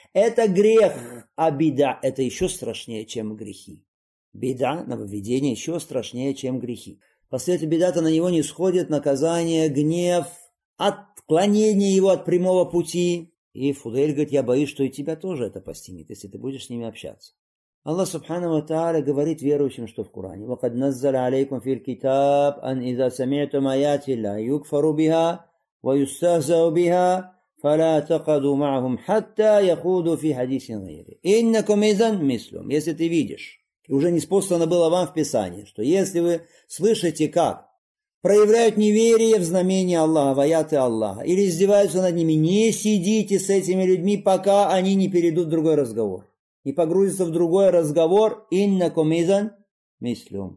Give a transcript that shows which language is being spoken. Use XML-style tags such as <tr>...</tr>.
<ru>Это грех, а беда – это еще страшнее, чем грехи. Беда, нововведение, еще страшнее, чем грехи. Последователь бидата, на него не сходит наказание, гнев, отклонение его от прямого пути. И Фудейль говорит, я боюсь, что и тебя тоже это постигнет, если ты будешь с ними общаться. Аллах Субхана ва Тааля говорит верующим, что в Коране:</ru> <ar>وَقَدْ نَزَّلَ عَلَيْكُمْ فِي الْكِتَابِ أَنْ إِذَا سَمِعْتُمْ آيَاتِ اللَّهِ يُكْفَرُ بِهَا وَيُسْتَهْزَأُ بِهَا فَلَا تَقْعُدُوا مَعَهُمْ حَتَّى يَخُوضُوا فِي حَدِيثٍ غَيْرِهِ إِنَّكُمْ إِذًا مِثْلُهُمْ.</ar> <ru>Если ты видишь, уже не спослано было вам в Писании, что если вы слышите, как проявляют неверие в знамения Аллаха, в аяты Аллаха, или издеваются над ними, не сидите с этими людьми, пока они не перейдут в другой разговор. И погрузится в другой разговор,</ru> <ar>иннакум изан мислюм.</ar>